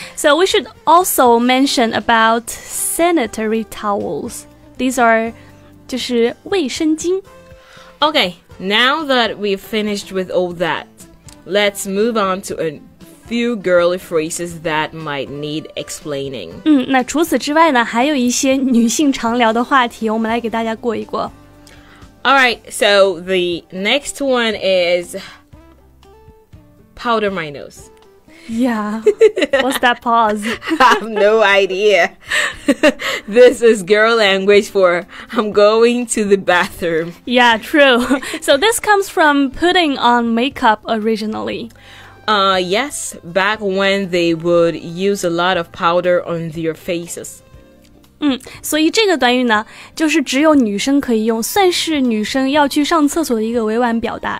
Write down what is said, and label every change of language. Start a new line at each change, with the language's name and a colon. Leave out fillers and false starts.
English: So we should also mention about sanitary towels. These are
Chinese: 就是卫生巾。
English: Okay, now that we've finished with all that, let's move on to a few girly phrases that might need explaining.
Chinese: 那除此之外呢，还有一些女性常聊的话题，我们来给大家过一过。
English: Alright, so the next one is powder my nose. Yeah, what's that pause? I have no idea. This is girl language for I'm going to the bathroom. Yeah, true. So this comes from putting on makeup originally. Yes, back when they would use a lot of powder on their faces.
Chinese: 所以这个短语呢就是只有女生可以用，算是女生要去上厕所的一个委婉表达。